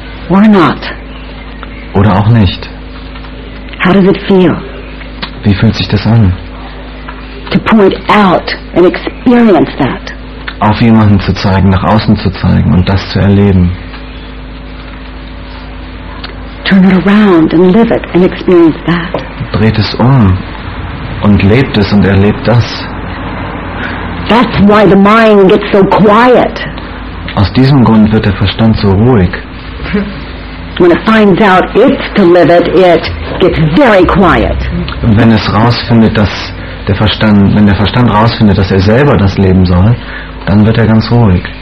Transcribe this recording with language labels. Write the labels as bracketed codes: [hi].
[en] Or not. [de] Oder auch nicht. [en] How does it feel? [de] Wie fühlt sich das an? [en] To point out and experience that. [de] Auf jemanden zu zeigen, nach außen zu zeigen und das zu erleben. [en] Turn it around and live it and experience that. [de] Dreht es um und lebt es und erlebt das. [en] That's why the mind gets so quiet. [de] Aus diesem Grund wird der Verstand so ruhig. [en] When it finds out it's to live it, it gets very quiet. [de] Wenn der Verstand rausfindet, dass selber das leben soll, dann wird ganz ruhig.